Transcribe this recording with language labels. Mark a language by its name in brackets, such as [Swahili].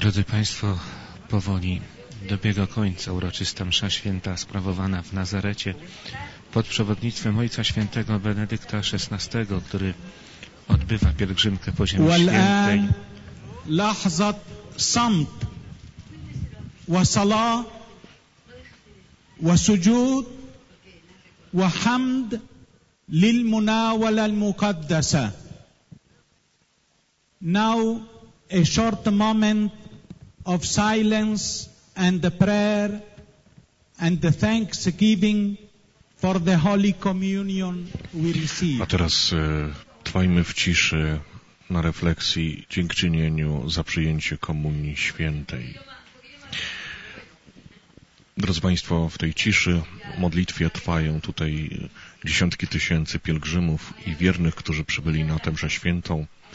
[Polish] Państwo, powoli dobiega końca uroczysta msza święta sprawowana w Nazarecie pod przewodnictwem Ojca Świętego Benedykta XVI, który odbywa pielgrzymkę po Ziemi Świętej. [English] Now, a short moment of silence and the prayer and the thanksgiving for the Holy Communion we receive. [Polish] A teraz trwajmy w ciszy na refleksji dziękczynieniu za przyjęcie Komunii Świętej. Drodzy Państwo, w tej ciszy modlitwie trwają tutaj dziesiątki tysięcy pielgrzymów i wiernych, którzy przybyli na tęże świętą.